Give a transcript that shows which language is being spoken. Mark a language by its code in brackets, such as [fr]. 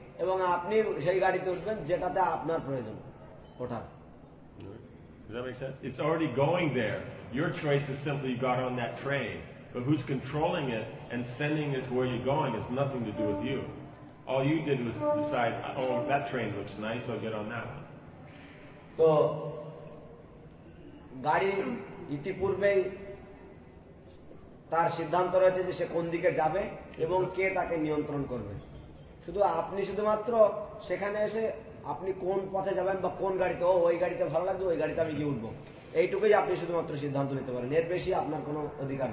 [bn] এবং আপনি সেই গাড়িতে উঠবেন যেটাতে আপনার প্রয়োজন ওঠার [en] Does that make sense? It's already going there. Your choice is simply you got on that train. But who's controlling it and sending it to where you're going has nothing to do with you. All you did was decide, oh, that train looks nice, I'll get on that one. [bn] তো গাড়ি ইতিপূর্বেই তার সিদ্ধান্ত রয়েছে যে সে কোন দিকে যাবে এবং কে তাকে নিয়ন্ত্রণ করবে শুধু আপনি শুধুমাত্র সেখানে এসে আপনি কোন পথে যাবেন বা কোন গাড়িতে ও ওই গাড়িতে ভালো লাগবে ওই গাড়িতে আমি গিয়ে উঠব এইটুকুই আপনি শুধুমাত্র সিদ্ধান্ত নিতে পারেন এর বেশি আপনার কোনো অধিকার